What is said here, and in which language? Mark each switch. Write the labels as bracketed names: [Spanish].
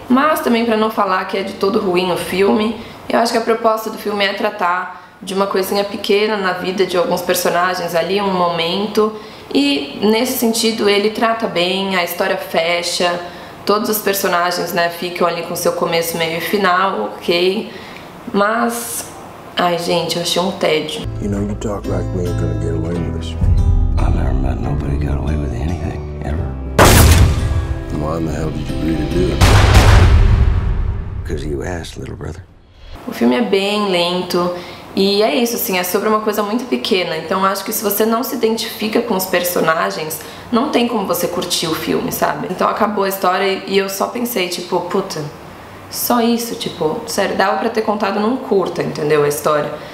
[Portuguese] Mas também pra não falar que é de todo ruim o filme, eu acho que a proposta do filme é tratar de uma coisinha pequena na vida de alguns personagens ali, um momento, e nesse sentido ele trata bem, a história fecha, todos os personagens, né, ficam ali com seu começo, meio e final, ok, mas, ai gente, eu achei um tédio. [English] You know, you talk like we ain't gonna get away with this. I've never met nobody got away with anything, ever. Why in the hell did you really do it? Because you asked, little brother. [Portuguese] O filme é bem lento, e é isso, assim, é sobre uma coisa muito pequena. Então acho que se você não se identifica com os personagens, não tem como você curtir o filme, sabe? Então acabou a história e eu só pensei, tipo, puta, só isso, tipo, sério, dava pra ter contado num curta, entendeu, a história.